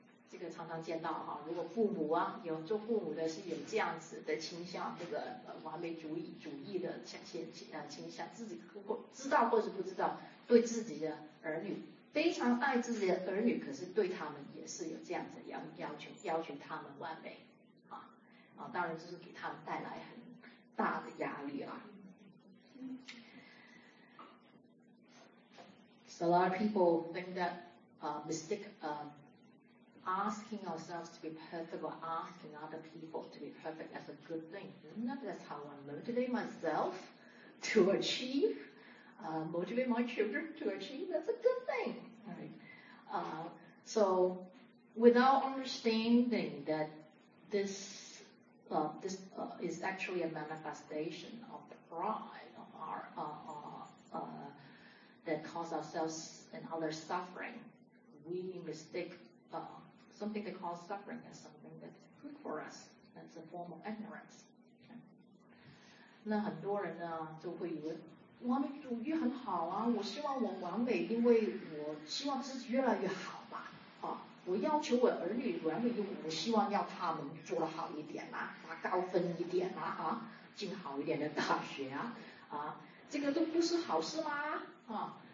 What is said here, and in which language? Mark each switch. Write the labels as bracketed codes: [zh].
[zh] 这个常常见到哈，如果父母啊，有做父母的是有这样子的倾向，这个完美主义的倾向，自己知道或是不知道，对自己的儿女非常爱自己的儿女，可是对他们也是有这样子要求他们完美啊，当然就是给他们带来很大的压力啊。 [en] So a lot of people think that mistake asking ourselves to be perfect or asking other people to be perfect as a good thing. That's how I motivate myself to achieve, motivate my children to achieve. That's a good thing. Right. So without understanding that this is actually a manifestation of pride of our that causes ourselves and others suffering, we mistake something that causes suffering as something that's good for us. That's a form of ignorance. Okay. [zh] 那很多人呢就会以为完美主义很好啊，我希望我完美，因为我希望自己越来越好嘛。啊，我要求我儿女完美，因为我希望要他们做得好一点啦，拿高分一点啦，啊，进好一点的大学啊，啊，这个都不是好事吗？啊。